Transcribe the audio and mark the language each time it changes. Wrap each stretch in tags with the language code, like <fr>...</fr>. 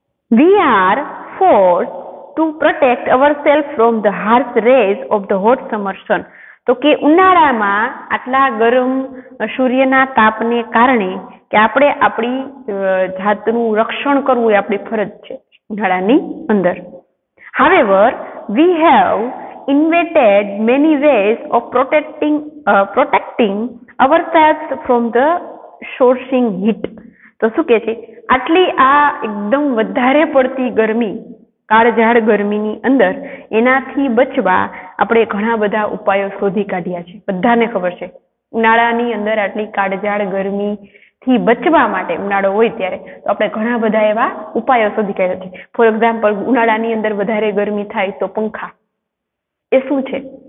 <en>We are forced to protect ourselves from the harsh rays of the hot summer sun.</en> <gu>તો કે ઉનાળામાં આટલા ગરમ સૂર્યના તાપને કારણે કે આપણે આપણી જાતનું રક્ષણ કરવું એ આપણી ફરજ છે ઉનાળાની અંદર.</gu> <en>However, we have invented many ways of protecting ourselves from the scorching heat.</en> <gu>તો શું કહે છે? આટલી આ એકદમ વધારે પડતી ગરમી કાળઝાળ ગરમીની અંદર એનાથી બચવા આપણે ઘણા બધા ઉપાયો શોધી કાઢ્યા છે. બધાને ખબર છે ઉનાળાની અંદર આટલી કાળઝાળ ગરમીથી બચવા માટે ઉનાળો હોય ત્યારે તો આપણે ઘણા બધા એવા ઉપાયો શોધી કાઢ્યા છે. ફોર એક્ઝામ્પલ, ઉનાળાની અંદર વધારે ગરમી થાય તો પંખા, એ શું છે?</gu>